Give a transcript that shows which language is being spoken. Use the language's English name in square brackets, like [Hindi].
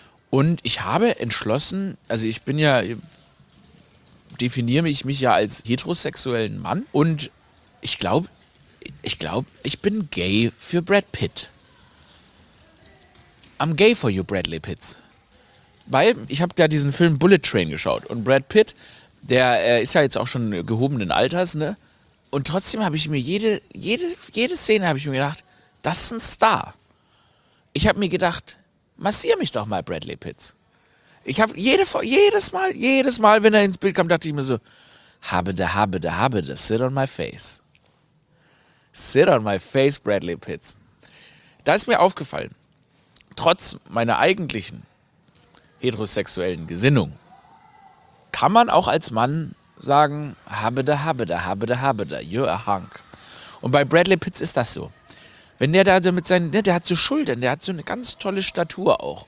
[German] Und ich habe entschlossen, also ich bin ja, definiere ich mich ja als heterosexuellen Mann und ich glaube, ich bin gay für Brad Pitt. [English] I'm gay for you, Bradley Pitt. [German] Weil ich habe da diesen Film Bullet Train geschaut und Brad Pitt, der ist ja jetzt auch schon gehobenen Alters, ne? Und trotzdem habe ich mir jede Szene habe ich mir gedacht, das ist ein Star. Ich habe mir gedacht, massier mich doch mal, Bradley Pitt. Ich habe jedes Mal, wenn er ins Bild kam, dachte ich mir so, habe, [English] sit on my face. Sit on my face, Bradley Pitts. [German] Da ist mir aufgefallen, trotz meiner eigentlichen heterosexuellen Gesinnung, kann man auch als Mann sagen, habe da, [English] you're a hunk. [German] Und bei Bradley Pitts ist das so. Wenn der da so mit seinen, der hat so Schultern, der hat so eine ganz tolle Statur auch.